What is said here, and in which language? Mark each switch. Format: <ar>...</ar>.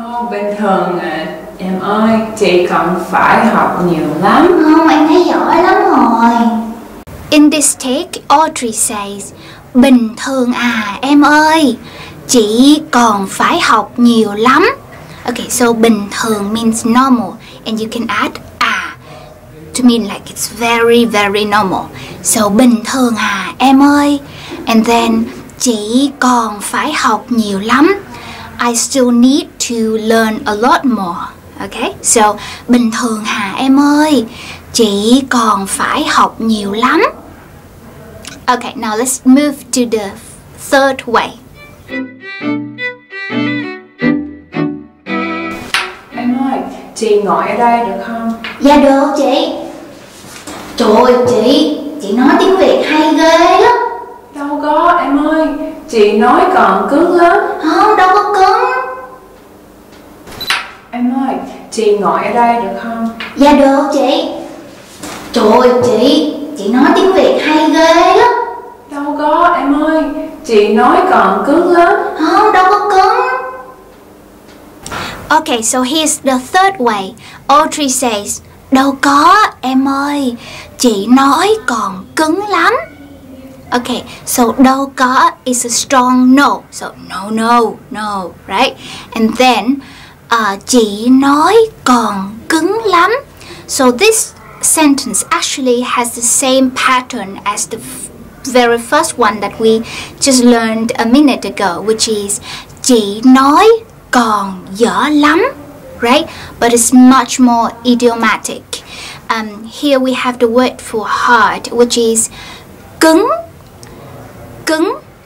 <vi>Bình thường em ơi, chị còn phải học nhiều lắm. Không, em thấy giỏi lắm rồi.</vi> <en>In this take, Audrey says,</en> <vi>bình thường à em ơi, chị còn phải học nhiều lắm.</vi> <en>Okay, so bình thường means normal, and you can add à to mean like it's very, very normal. So</en> <vi>bình thường à em ơi,</vi> <en>and then</en> <vi>chị còn phải học nhiều lắm.</vi> <en>I still need to learn a lot more. Okay, so</en> <vi>bình thường à em ơi, chị còn phải học nhiều lắm.</vi> <en>Okay, now let's move to the third way.</en> <vi>Em ơi, chị ngồi ở đây được không? Dạ được chị. Trời ơi chị nói tiếng Việt hay ghê lắm. Đâu có em ơi, chị nói còn cứng lắm. Không, đâu có cứng. Em ơi, chị ngồi ở đây được không? Dạ được chị. Trời ơi chị nói tiếng Việt hay ghê lắm. Đâu có em ơi, chị nói còn cứng lắm. Không, đâu có cứng.</vi> <en>Okay, so here's the third way. Audrey says,</en> <vi>đâu có em ơi, chị nói còn cứng lắm.</vi> <en>Okay, so đâu có is a strong no. So no, no, no, right? And then,</en> <vi>chị nói còn cứng lắm.</vi> <en>So this sentence actually has the same pattern as the very first one that we just learned a minute ago, which is</en> <vi>chị nói còn dở lắm,</vi> <en>right? But it's much more idiomatic. Here we have the word for hard, which is cứng. Cứng.</en>